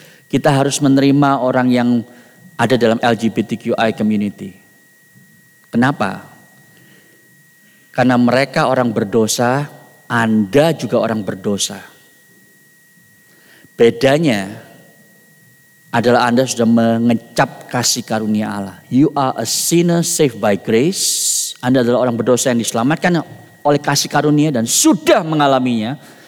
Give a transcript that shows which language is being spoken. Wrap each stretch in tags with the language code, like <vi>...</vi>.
<id>Kita harus menerima orang yang ada dalam LGBTQI community. Kenapa? Karena mereka orang berdosa, Anda juga orang berdosa. Bedanya adalah Anda sudah mengecap kasih karunia Allah.</id> <en>You are a sinner saved by grace.</en> <id>Anda adalah orang berdosa yang diselamatkan oleh kasih karunia dan sudah mengalaminya.</id>